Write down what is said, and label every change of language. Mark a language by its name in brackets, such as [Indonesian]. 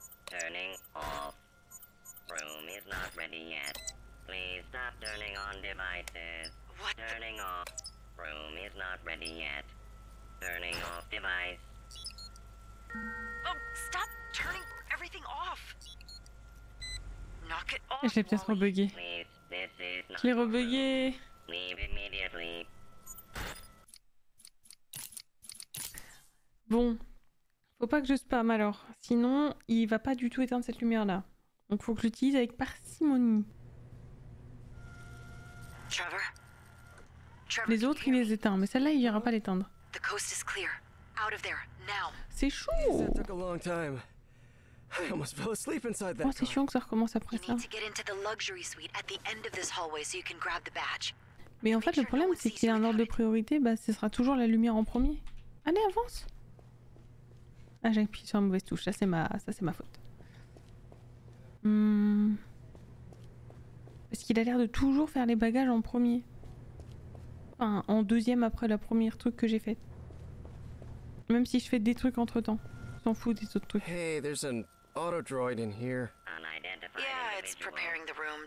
[English] Turning off. Room is not ready yet. Please stop turning on devices. What? Turning off. Room is not ready yet. Turning off device. Oh, stop turning everything off. Knock it off. [French] Je l'ai peut-être rebugué. [English] Please, this is not [French] je l'ai rebugué. [English] Leave immediately. [French] Bon. Faut pas que je spam alors, sinon il va pas du tout éteindre cette lumière là. Donc faut que j'utilise avec parcimonie. Trevor. Trevor, les autres il les éteint, mais celle-là il ira pas l'éteindre. [English] The coast is clear. Out of there. Now. [French] C'est chaud. [English] That took a long time. I almost fell asleep inside that. [French] Oh, c'est chiant que ça recommence après ça. [English] You need to get into the luxury suite at the end of this hallway so you can grab the badge. [French] Mais en fait le problème c'est qu'il y a un ordre de priorité, bah ce sera toujours la lumière en premier. Allez avance. Ah, j'ai appuyé sur la mauvaise touche, ça c'est ma faute. Parce qu'il a l'air de toujours faire les bagages en premier. Enfin, en deuxième après la première truc que j'ai fait. Même si je fais des trucs entre temps. Je t'en fous des autres trucs. [English] Hey, there's an auto droid in here. Yeah, it's preparing the room.